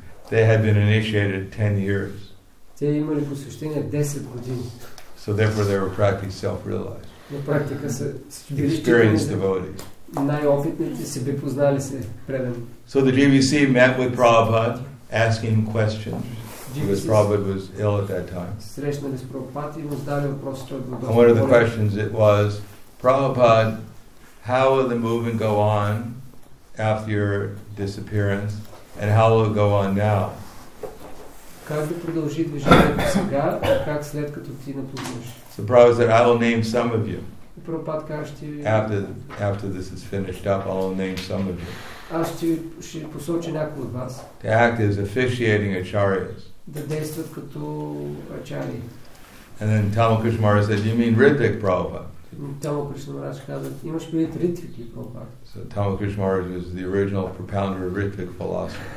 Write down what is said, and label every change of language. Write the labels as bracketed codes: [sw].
[en] They had been initiated 10 years. So therefore they were practically self-realized. Experienced devotees. [bg] Най-опитните се би познали се предан. [en] So the GBC met with Prabhupada, asking questions. Because Prabhupada was ill at that time. [bg] Срещнали с Прабхупад и му задали въпроси. [en] And one of the questions it was, Prabhupada, how will the movement go on after your disappearance, and how will it go on now? [bg] Как да продължи движението сега, как след като ти напуснеш? [en] So Prabhupada said, I will name some of you. After this is finished up, I'll name some of you. [bg] Аз ще посоча някои от вас. [en] To act as officiating acharyas. [bg] Да действат като ачари. [en] And then Tamal Krishna Maharaj said, "You mean Ritvik Prabhupada?" [bg] Tamal Krishna Maharaj каза, "Имаш предвид Ритвик ли, Прабхупада?" [en] So Tamal Krishna Maharaj was the original propounder of Ritvik philosophy.